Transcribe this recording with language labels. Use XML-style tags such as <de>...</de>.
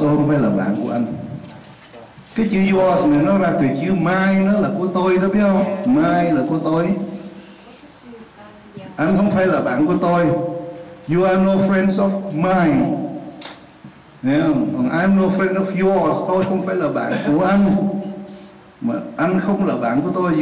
<vi>Không phải là bạn của anh. Cái chữ yours này nó ra từ chữ my, nó là của tôi đó, biết không? My là của tôi. Anh không phải là bạn của tôi.</vi> <en>You are no friends of mine. Yeah. I'm no friend of yours.</en> <vi>Tôi không phải là bạn của anh. Mà anh không là bạn của tôi.</vi>